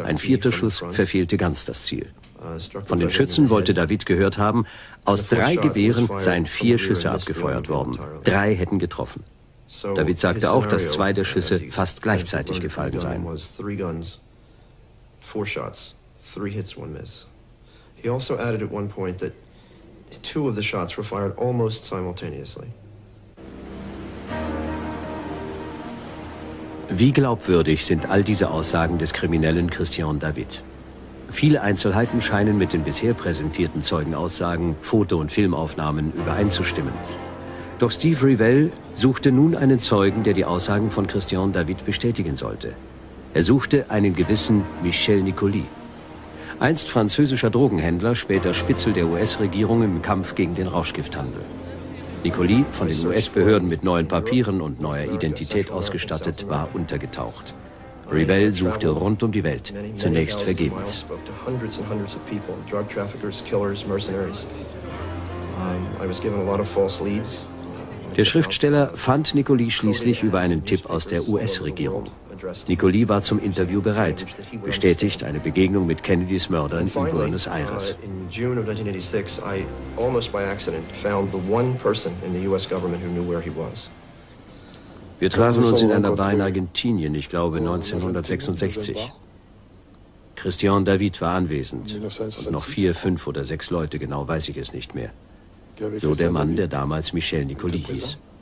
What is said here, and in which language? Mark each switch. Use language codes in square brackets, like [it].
[de] Ein vierter Schuss verfehlte ganz das Ziel. Von den Schützen wollte David gehört haben, aus drei Gewehren seien vier Schüsse abgefeuert worden. Drei hätten getroffen. David sagte auch, dass zwei der Schüsse fast gleichzeitig gefallen seien. [en] He also added at one point that two of the shots were fired almost simultaneously. [de] Wie glaubwürdig sind all diese Aussagen des Kriminellen Christian David? Viele Einzelheiten scheinen mit den bisher präsentierten Zeugenaussagen, Foto- und Filmaufnahmen übereinzustimmen. Doch Steve Revell suchte nun einen Zeugen, der die Aussagen von Christian David bestätigen sollte. Er suchte einen gewissen Michel Nicolie. Einst französischer Drogenhändler, später Spitzel der US-Regierung im Kampf gegen den Rauschgifthandel. Nicolie, von den US-Behörden mit neuen Papieren und neuer Identität ausgestattet, war untergetaucht. Revell suchte rund um die Welt, zunächst vergebens. Der Schriftsteller fand Nicolie schließlich über einen Tipp aus der US-Regierung. Nicolie war zum Interview bereit, bestätigt eine Begegnung mit Kennedys Mördern in Buenos Aires. [en] In June of 1986, I almost by accident found the one person in the US government who knew where he was. [de] Wir trafen uns in einer Bar in Argentinien, ich glaube 1966. Christian David war anwesend und noch vier, fünf oder sechs Leute, genau weiß ich es nicht mehr. So der Mann, der damals Michel Nicolie hieß.